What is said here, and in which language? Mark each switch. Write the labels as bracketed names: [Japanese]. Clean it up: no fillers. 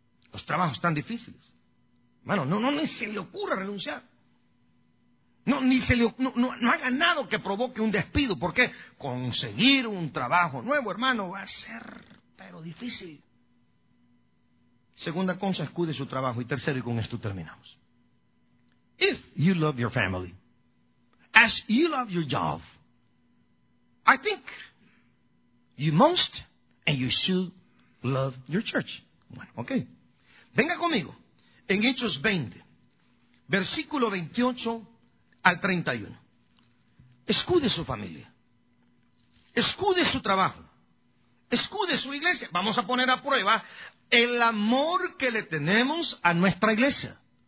[Spanish] Los trabajos tan difíciles. Hermano, no ni se le ocurra renunciar. No haga nada que provoque un despido, porque conseguir un trabajo nuevo, hermano, va a ser pero difícil. Segunda cosa, escude su trabajo. Y tercero, y con esto terminamos. [English] If you love your family, as you love your job, I think you must and you should love your church. [Spanish] Bueno, ok. Venga conmigo en Hechos 20, versículo 28 al 31. Escude su familia. Escude su trabajo. Escude su iglesia. Vamos a poner a prueba el amor que le tenemos a nuestra iglesia.